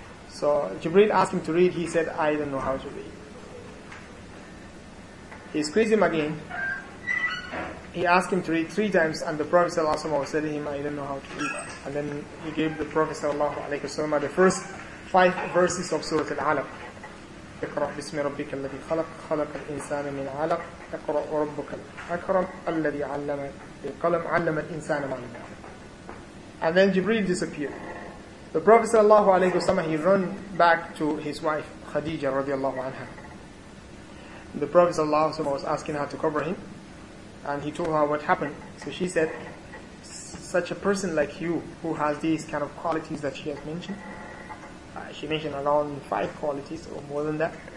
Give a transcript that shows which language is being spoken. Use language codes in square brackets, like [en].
[en] So Jibreel asked him to read. He said, "I don't know how to read." He squeezed him again. He asked him to read three times, and the Prophet sallallahu alaihi wasallam said to him, "I don't know how to read." And then he gave the Prophet sallallahu alaihi wasallam the first five verses of Surah Al-Alaq. [ar] اقرأ بسم ربك الذي خلق خلق الإنسان من علق اقرأ ربك الأكرم الذي علم بالقلم علم الإنسان ما لم يعلم. [en] And then Jibreel disappeared. The Prophet sallallahu alaihi wasallam, he ran back to his wife Khadija radiallahu anha. The Prophet sallallahu alaihi wasallam was asking her to cover him, and he told her what happened. So she said, "Such a person like you, who has these kind of qualities that she has mentioned," she mentioned around five qualities or more than that.